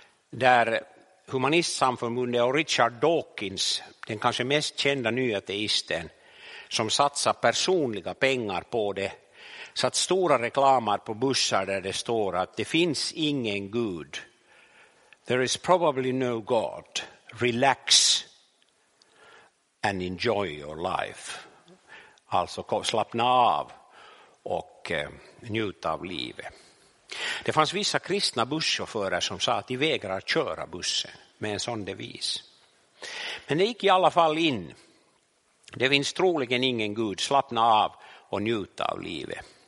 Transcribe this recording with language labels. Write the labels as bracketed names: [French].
[Swedish] Där Humanistsamfundet och Richard Dawkins, den kanske mest kända nya ateisten, som satsar personliga pengar på det. Satt stora reklamar på bussar där det står att det finns ingen gud. [English] There is probably no God. Relax and enjoy your life. [Swedish] Alltså slappna av och njuta av livet. Det fanns vissa kristna busschaufförer som sa att de vägrar köra bussen med en sån devis. Men det gick i alla fall in. Det finns troligen ingen gud, slappna av och njuta av livet.